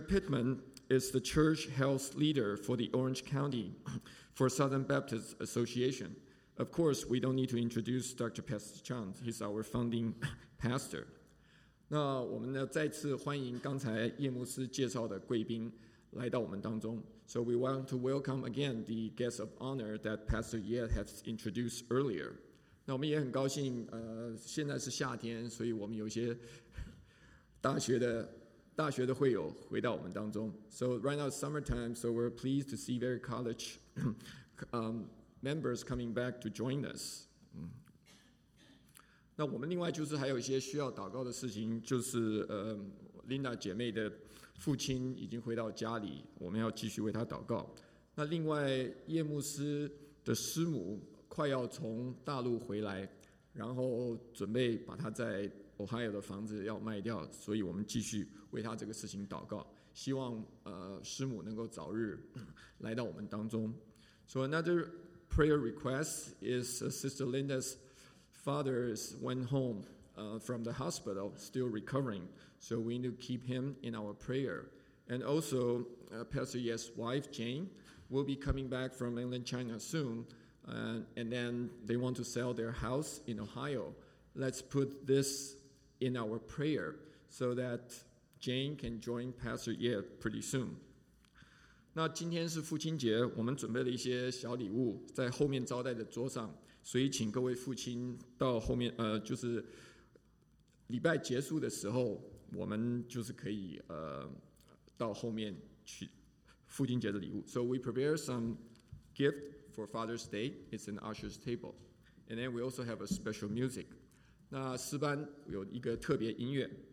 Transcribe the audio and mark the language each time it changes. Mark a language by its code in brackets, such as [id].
[en] Pittman is the church health leader for the Orange County for Southern Baptist Association. Of course, we don't need to introduce Dr. Pastor Chan. He's our founding pastor. [zh] 那我们呢再次欢迎刚才叶牧师介绍的贵宾来到我们当中。 [en] So we want to welcome again the guest of honor that Pastor Ye has introduced earlier. [zh] 那我们也很高兴现在是夏天，所以我们有些大学的会友回到我们当中。 [en] So right now it's summertime, so we're pleased to see very college members coming back to join us. [zh] 那我们另外就是还有一些需要祷告的事情，就是Linda 姐妹的父亲已经回到家里，我们要继续为她祷告。那另外叶牧师的师母快要从大陆回来，然后准备把她在Ohio 的房子要卖掉，所以我们继续为他这个事情祷告，希望师母能够早日来到我们当中。 [en] So another prayer request is Sister Linda's father went home from the hospital, still recovering, so we need to keep him in our prayer. And also Pastor Ye's wife Jane will be coming back from mainland China soon, and then they want to sell their house in Ohio. Let's put this in our prayer so that Jane can join Pastor Ye pretty soon. [zh] 那今天是父亲节，我们准备了一些小礼物在后面招待的桌上，所以请各位父亲到后面，就是礼拜结束的时候，我们就是可以到后面去父亲节的礼物。 [en] So we prepare some gift for Father's Day. It's an usher's table, and then we also have a special music. [zh] 那诗班有一个特别音乐。